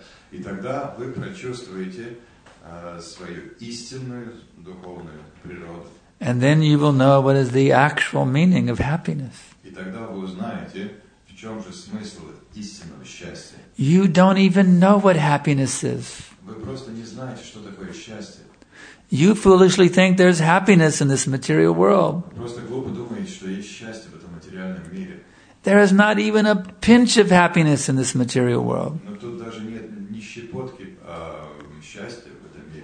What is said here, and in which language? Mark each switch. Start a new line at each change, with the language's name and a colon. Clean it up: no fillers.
Russian: И тогда вы прочувствуете свою истинную духовную природу.
English: And then you will know what is the actual meaning of happiness.
Russian: И тогда вы узнаете, в чем же смысл истинного счастья.
English: You don't even know what happiness is.
Russian: Вы просто не знаете, что такое счастье.
English: You foolishly think there's happiness in this material world.
Russian: Вы просто глупо думаете, что есть счастье в этом материальном мире.
English: There is not even a pinch of happiness in this material world.
Russian: Но тут даже нет ни щепотки счастья в этом мире.